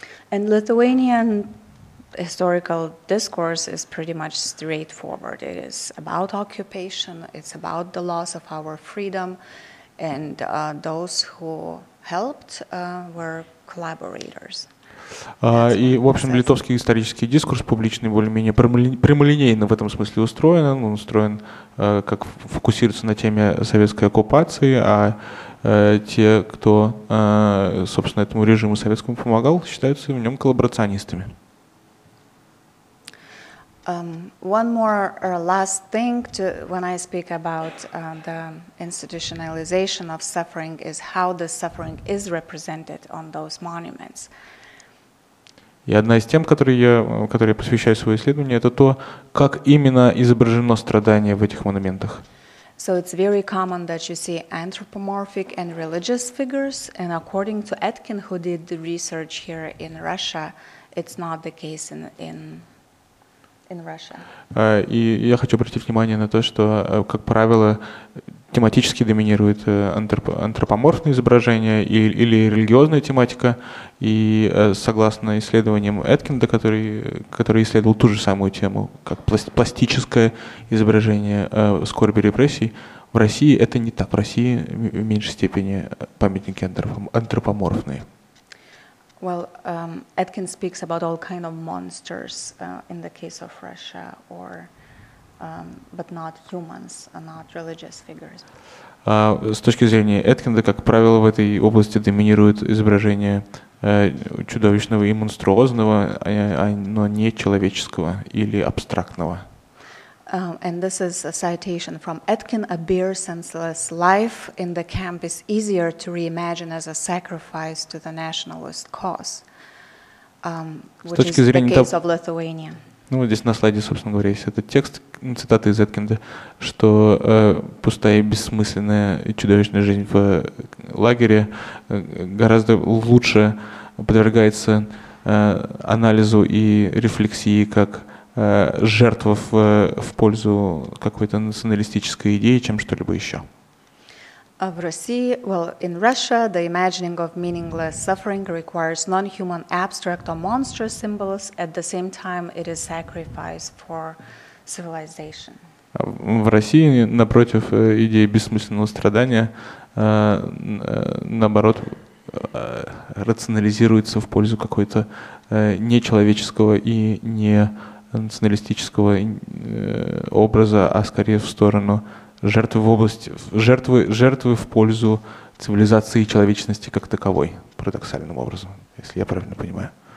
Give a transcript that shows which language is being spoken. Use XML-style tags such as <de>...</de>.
<en>And Lithuanian historical discourse is pretty much straightforward. It is about occupation, it's about the loss of our freedom, and those who helped were collaborators.</en> <ru>И, в общем, литовский исторический дискурс публичный более-менее прямолинейно в этом смысле устроен. Он устроен, как фокусируется на теме советской оккупации, а те, кто, собственно, этому режиму советскому помогал, считаются в нем коллаборационистами.</ru> <en>One more or last thing to, when I speak about the institutionalization of suffering is how the suffering is represented on those monuments.</en> <ru>И одна из тем, которой я посвящаю свое исследование, это то, как именно изображено страдание в этих монументах.</ru> <en>So it's very common that you see anthropomorphic and religious figures, and according to Etkin, who did the research here in Russia, it's not the case in Russia.</en> <ru>И я хочу обратить внимание на то, что, как правило, тематически доминирует антропоморфное изображение или религиозная тематика. И согласно исследованиям Эткинда, который исследовал ту же самую тему, как пластическое изображение скорби и репрессий, в России это не так. В России в меньшей степени памятники антропоморфные.</ru> <en>Well, Etkin speaks about all kind of monsters in the case of Russia, or but not humans, not religious figures.</en> <ru>С точки зрения Эткинда, как правило, в этой области доминируют изображения чудовищного и монструозного, но не человеческого или абстрактного.</ru> <en>And this is a citation from Etkin: "A bare, senseless life in the camp is easier to reimagine as a sacrifice to the nationalist cause." Which is the case of Lithuania.</en> <ru>Ну, здесь на слайде, собственно говоря, есть этот текст, цитата из Эткинда, что пустая и бессмысленная и чудовищная жизнь в лагере гораздо лучше подвергается анализу и рефлексии как жертва в пользу какой-то националистической идеи, чем что-либо еще.</ru> <en>Of Russia, well, in Russia, the imagining of meaningless suffering requires non-human abstract or monstrous symbols. At the same time, it is sacrifice for civilization.</en> <ru>В России, напротив, идеи бессмысленного страдания, наоборот, рационализируется в пользу какого-то нечеловеческого и не националистического образа, а скорее в сторону жертвы в область, жертвы в пользу цивилизации и человечности как таковой, парадоксальным образом, если я правильно понимаю.</ru>